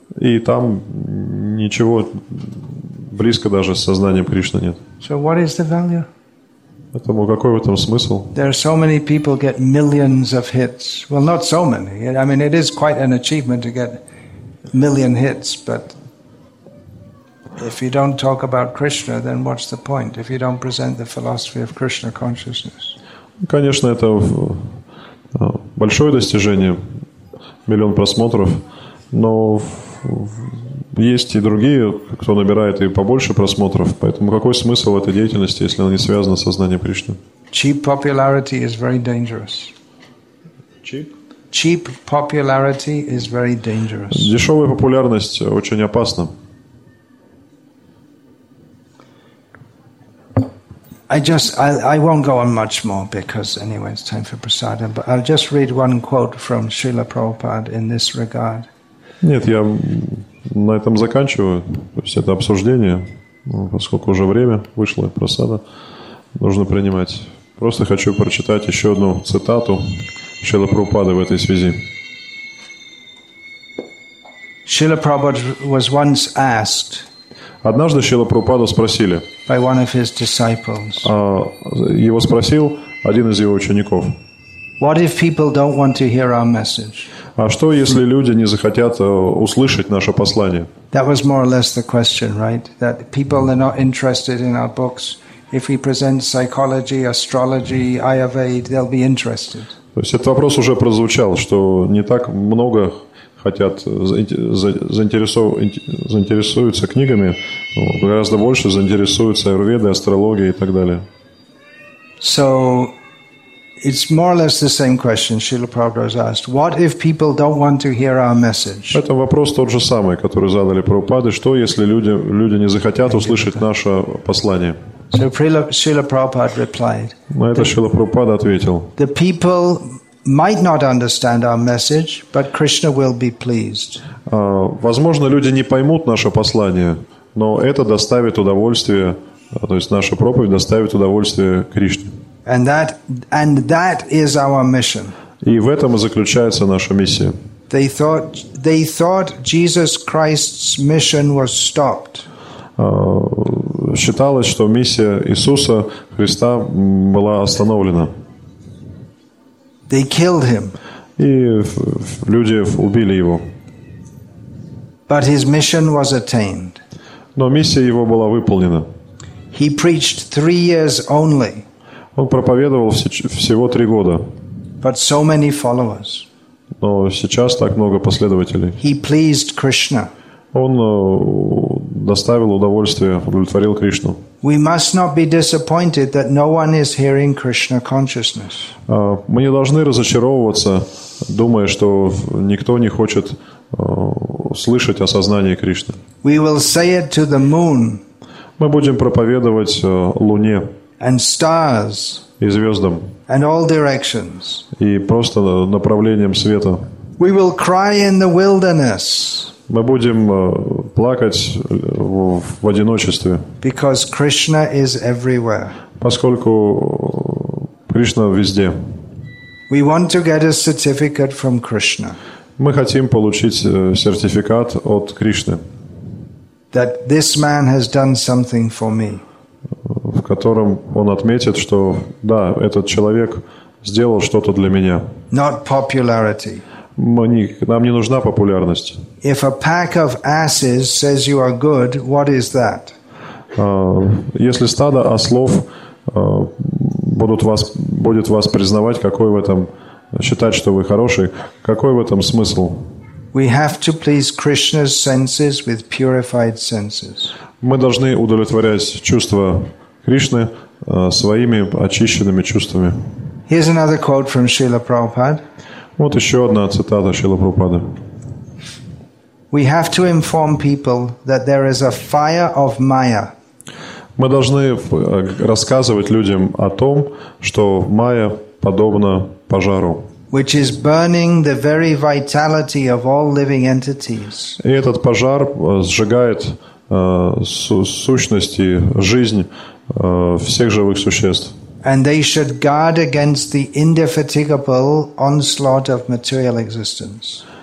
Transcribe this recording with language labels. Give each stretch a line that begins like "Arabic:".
Russian: И там ничего близко даже с сознанием Кришны нет.
English: So what is the value?
Russian: Поэтому какой в этом смысл?
English: There are so many people get millions of hits. Well, not so many. I mean, it is quite an achievement to get a million hits, but if you don't talk about Krishna, then what's the point? If you don't present the philosophy of Krishna consciousness.
Russian: Конечно, это большое достижение. Миллион просмотров, но есть и другие, кто набирает и побольше просмотров. Поэтому какой смысл в этой деятельности, если она не связана с сознанием Кришны?
English: Cheap popularity is very dangerous. Cheap popularity is very dangerous.
Russian: Дешевая популярность очень опасна.
English: I won't go on much more because anyway it's time for prasadam, but I'll just read one quote from Srila Prabhupada in this regard.
Russian: Нет, я на этом заканчиваю. То есть это обсуждение. Поскольку уже время вышло, прасада нужно принимать. Просто хочу прочитать еще одну цитату Шрила Прабхупады в этой связи.
English: Srila Prabhupada was once asked.
Russian: Однажды Шрила Прабхупаду спросили.
English: By one of his disciples.
Russian: Его спросил один из его учеников.
English: What if people don't want to hear our message?
Russian: А что если люди не захотят услышать наше послание?
English: That was more or less the question, right? That people are not interested in our books. If we present psychology, astrology, Ayurveda, they'll be interested.
Russian: То есть этот вопрос уже прозвучал, что не так много хотят заинтересуются книгами, гораздо больше заинтересуются аюрведой, астрологией и так далее.
English: So it's more or less the same question Srila Prabhupada has asked. What if people don't want to hear our message?
Russian: Это вопрос тот же самый, который задали Прабхупады. Что если люди не захотят услышать наше послание?
English: So Srila Prabhupada replied.
Russian: На это Srila Prabhupada ответил.
English: The people might not understand our message, but Krishna will be pleased.
Russian: Возможно, люди не поймут наше послание, но это доставит удовольствие, то есть наша проповедь доставит удовольствие Кришне.
English: And that is our mission.
Russian: И в этом и заключается наша миссия.
English: They thought Jesus Christ's mission was stopped.
Russian: Считалось, что миссия Иисуса Христа была остановлена.
English: They killed him.
Russian: И люди убили его.
English: But his mission was attained.
Russian: Но миссия его была выполнена.
English: He preached 3 years only.
Russian: Он проповедовал всего 3 года.
English: But so many followers.
Russian: Но сейчас так много последователей.
English: He pleased Krishna.
Russian: Он доставил удовольствие, удовлетворил Кришну.
English: We must not be disappointed that no one is hearing Krishna consciousness.
Russian: Мы не должны разочаровываться, думая, что никто не хочет слышать о сознании Кришны.
English: We will say it to the moon.
Russian: Мы будем проповедовать Луне.
English: and stars
Russian: и звездам,
English: and all directions.
Russian: И просто направлением света.
English: We will cry in the wilderness.
Russian: Мы будем плакать в одиночестве.
English: Because Krishna is everywhere.
Russian: Поскольку Кришна везде.
English: We want to get a certificate from Krishna.
Russian: Мы хотим получить сертификат от Кришны.
English: That this man has done something for me.
Russian: В котором он отметит, что да, этот человек сделал что-то для меня.
English: Not popularity.
Russian: Нам не нужна популярность.
English: If a pack of asses says you are good, what is that?
Russian: Если стадо ослов будет вас признавать, какой в этом считать, что вы хороший, какой в этом смысл?
English: We have to please Krishna's senses with purified senses.
Russian: Мы должны удовлетворять чувства Кришны своими очищенными чувствами.
English: Here's another quote from Srila Prabhupada.
Russian: Вот еще одна цитата Шрилы Прабхупады.
English: We have to inform people that there is a fire of Maya.
Russian: Мы должны рассказывать людям о том, что Майя подобна пожару.
English: Which is burning the very vitality of all living entities.
Russian: И этот пожар сжигает сущности, жизнь всех живых существ.
English: And they should guard against the indefatigable onslaught of material existence.